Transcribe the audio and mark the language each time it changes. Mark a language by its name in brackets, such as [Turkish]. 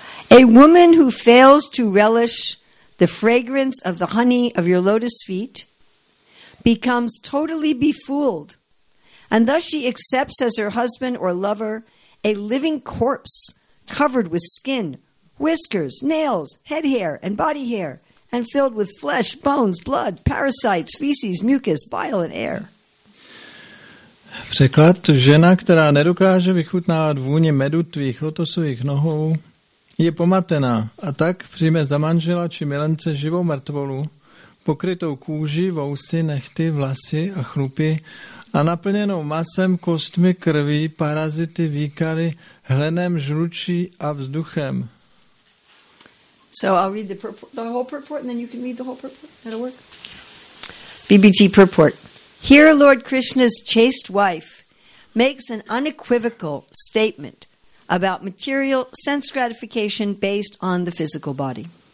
[English] A woman who fails to relish the fragrance of the honey of your lotus feet becomes totally befooled, and thus she accepts as her husband or lover a living corpse covered with skin, whiskers, nails, head hair, and body hair, and filled with flesh, bones, blood, parasites, feces, mucus, bile, and air. [Czech] Překlad, žena, která nedokáže vychutnávat vůně medu tvých lotosových nohou, je pomatená a tak přijme za manžela či milence živou mrtvolu, pokrytou kůži, vousy, nechty, vlasy a chlupy a naplněnou masem, kostmi, krví, parazity, výkaly, hlenem, žlučí a vzduchem. [English] So I'll read the whole purport and then you can read the whole purport. That'll work. BBT purport. Here Lord Krishna's chaste wife makes an unequivocal statement about material sense gratification based on the physical body.